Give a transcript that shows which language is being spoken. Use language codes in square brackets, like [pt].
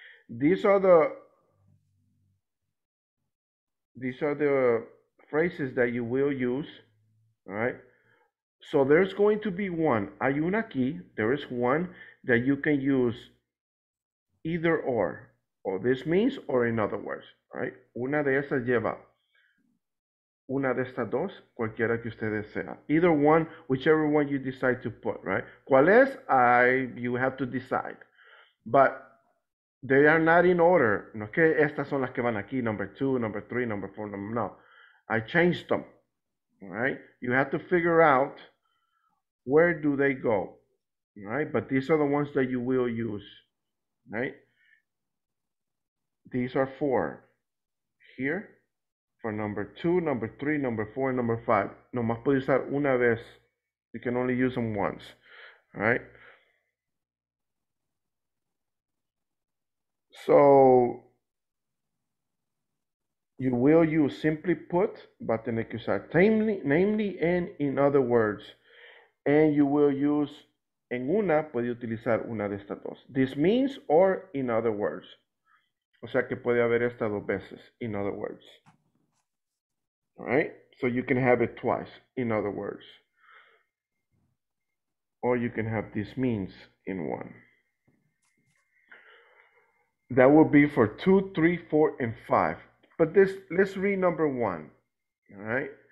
[en] These are the phrases that you will use, all right? So there's going to be one, [es] hay una aquí, [en] there is one that you can use either or this means, or in other words, right? [es] Una de esas lleva, una de estas dos, cualquiera que usted desea. [en] Either one, whichever one you decide to put, right? [es] ¿Cuál es? [en] You have to decide. But they are not in order. [es] No es que estas son las que van aquí, [en] number 2, number 3, number 4, [es] no. [en] I changed them. All right, you have to figure out where do they go, all right? But these are the ones that you will use, right? These are 4 here for number 2, number 3, number 4, and number 5. [es] No más puede usar una vez. [en] You can only use them once, all right? So you will use simply put, [es] va a tener que usar [en] namely and in other words. And you will use [es] en una, puede utilizar una de estas dos. [en] This means or in other words. [es] O sea que puede haber esta dos veces, in other words. [en] All right? So you can have it twice, in other words. Or you can have this means in one. That will be for 2, 3, 4, and 5. But let's read number 1, all right?